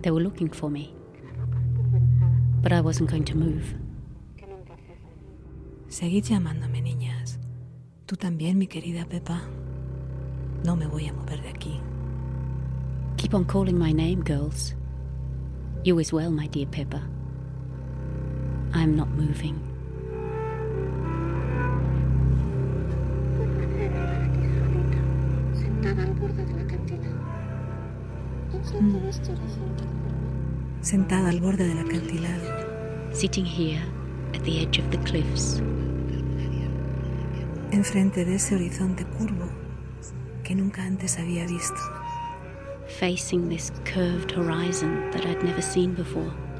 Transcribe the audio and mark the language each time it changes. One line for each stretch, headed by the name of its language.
English: They were looking for me. But I wasn't going to move.
Spanish: Seguid llamándome, niñas. Tú también, mi querida Pepa. No me voy a mover de aquí.
English: Keep on calling my name, girls. You as well, my dear Pepa. I'm not moving.
Spanish: Sentada al borde del acantilado.
English: Sitting here at the edge of the cliffs.
Spanish: Enfrente de ese horizonte curvo que nunca antes había visto.
English: Facing this curved horizon that I'd never seen before.